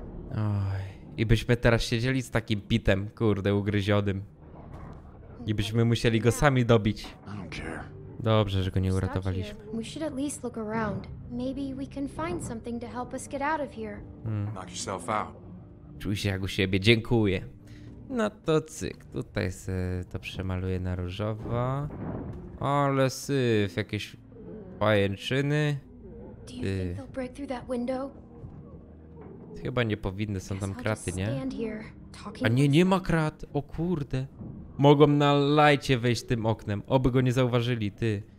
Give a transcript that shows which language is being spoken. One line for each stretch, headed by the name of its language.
Polish: Oj, i byśmy teraz siedzieli z takim Pitem, kurde, ugryzionym. I byśmy musieli go sami dobić. Dobrze, że go nie uratowaliśmy.
English: We should at least look around. Maybe we can find something to help us get out of here. Knock yourself out.
Polish: Czuj się jak u siebie, dziękuję. No to cyk, tutaj se to przemaluję na różowo. Ale syf, jakieś pajęczyny.
English: Do you think they'll break through that window?
Polish: Chyba nie powinny, są tam kraty, nie? A nie, nie ma krat, o kurde. Mogą na lajcie wejść tym oknem, oby go nie zauważyli, ty.